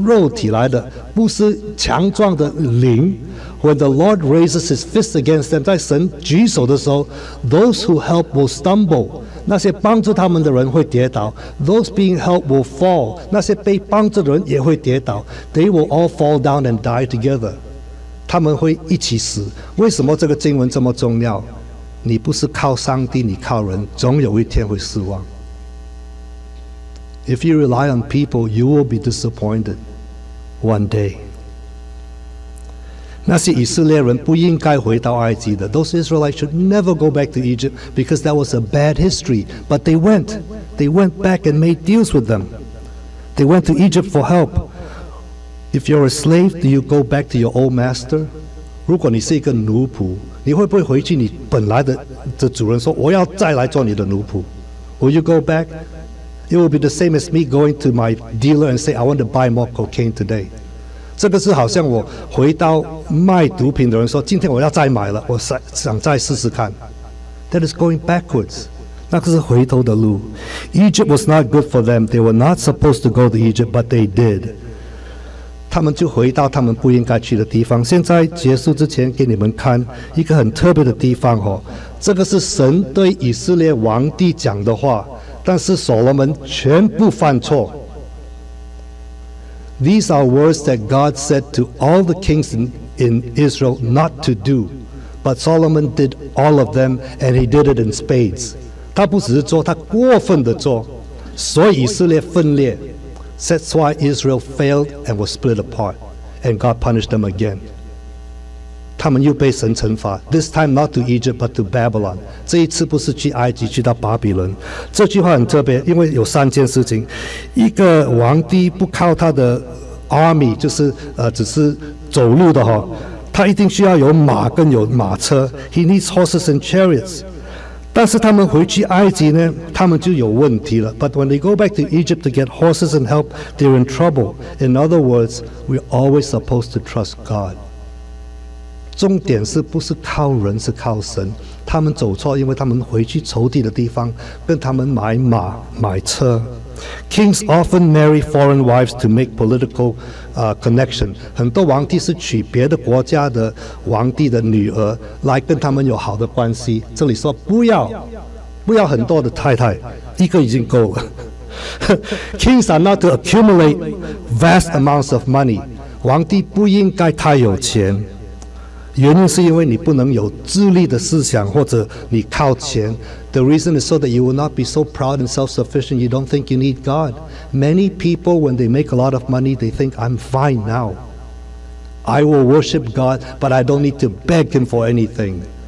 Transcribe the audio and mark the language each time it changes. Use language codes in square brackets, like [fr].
[zh] 这些埃及人只是人，不是神。他们的马只是肉体来的，不是强壮的灵。 [en] When the Lord raises his fist against them, [zh] 在神举手的时候, [en] those who help will stumble. [zh] 那些帮助他们的人会跌倒, [en] those being helped will fall. [zh] 那些被帮助的人也会跌倒, [en] they will all fall down and die together. [zh] 他们会一起死。为什么这个经文这么重要?你不是靠上帝, 你靠人, 总有一天会失望。 [en] If you rely on people, you will be disappointed one day. [zh] 那些以色列人不应该回到埃及的, [en] those Israelites should never go back to Egypt because that was a bad history. But they went. They went back and made deals with them. They went to Egypt for help. If you're a slave, do you go back to your old master? [zh] 如果你是一个奴仆, 你会不会回去你本来的主人说, 我要再来做你的奴仆? [en] Will you go back? It will be the same as me going to my dealer and say, I want to buy more cocaine today. [zh] 这个是好像我回到卖毒品的人说，今天我要再买了，我想再试试看。 [en] That is going backwards. [zh] 那个是回头的路。 [en] Egypt was not good for them. They were not supposed to go to Egypt, but they did. [zh] 他们就回到他们不应该去的地方。现在结束之前给你们看一个很特别的地方哦，这个是神对以色列王帝讲的话，但是所罗门全部犯错。 [en] These are words that God said to all the kings in Israel not to do, but Solomon did all of them, and he did it in spades. [zh] 他不只是做，他过分的做，所以以色列分裂。 [en] That's why Israel failed and was split apart, and God punished them again. [zh] 他们又被神惩罚。 [en] This time not to Egypt but to Babylon. [zh] 这一次不是去埃及，去到巴比伦。这句话很特别，因为有三件事情：一个王帝不靠他的 army， 就是只是走路的哈，他一定需要有马跟有马车。 [en] He needs horses and chariots. [zh] 但是他们回去埃及呢，他们就有问题了。 [en] But when they go back to Egypt to get horses and help, they're in trouble. In other words, we're always supposed to trust God. [zh] 重点是不是靠人，是靠神。他们走错，因为他们回去仇敌的地方跟他们买马买车。 [en] Kings often marry foreign wives to make political connection. [zh] 很多王帝是娶别的国家的王帝的女儿来跟他们有好的关系。这里说不要不要很多的太太，一个已经够了。 [en] Kings are not to accumulate vast amounts of money. [zh] 王帝不应该太有钱，原因是因为你不能有自立的思想，或者你靠钱。 [en] The reason is so that you will not be so proud and self-sufficient. You don't think you need God. Many people, when they make a lot of money, they think I'm fine now. I will worship God, but I don't need to beg Him for anything.